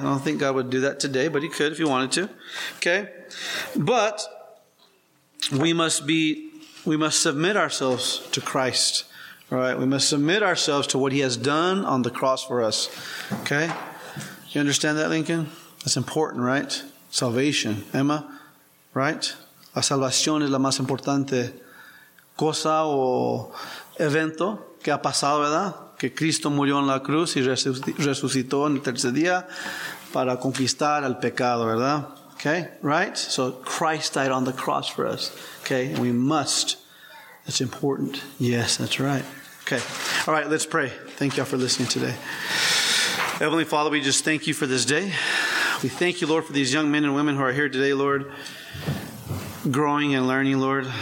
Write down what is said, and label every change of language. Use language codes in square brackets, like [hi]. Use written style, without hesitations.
[en] I don't think God would do that today, but he could if he wanted to. Okay? But we must submit ourselves to Christ, right? We must submit ourselves to what he has done on the cross for us. Okay? You understand that, Lincoln? That's important, right? Salvation. Emma, right? [es] La salvación es la más importante cosa o evento que ha pasado, ¿verdad? Que Cristo murió en la cruz y resucitó en el tercer día para conquistar al pecado, ¿verdad? [en] Okay, right? So Christ died on the cross for us. Okay, we must. It's important. Yes, that's right. Okay, all right, let's pray. Thank you all for listening today. Heavenly Father, we just thank you for this day. We thank you, Lord, for these young men and women who are here today, Lord, growing and learning, Lord.